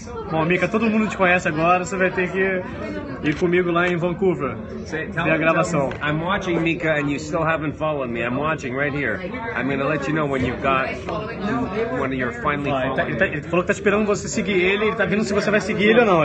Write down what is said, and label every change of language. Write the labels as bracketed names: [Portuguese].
[Portuguese] Bom, Mika, todo mundo te conhece agora, você vai ter que ir comigo lá em Vancouver ver a gravação. [English] I'm watching Mika and you still haven't followed me. I'm watching right here. I'm going to let you know when you've got when you're finally following. [Portuguese] Ele falou que tá esperando você seguir ele, ele tá vendo se você vai seguir ele ou não.